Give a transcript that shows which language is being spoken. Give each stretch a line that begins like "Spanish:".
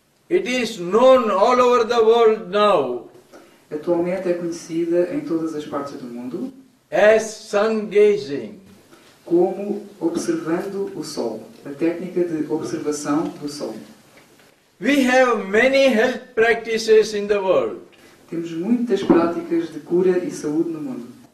English: It is known all over the world now.
Portuguese: Atualmente é conhecida em todas as partes do mundo.
English: As sun gazing.
Portuguese: Como observando o sol. A técnica de observação do sol.
English: We have many health practices in the world.
Portuguese: Temos muitas práticas de cura e saúde no mundo.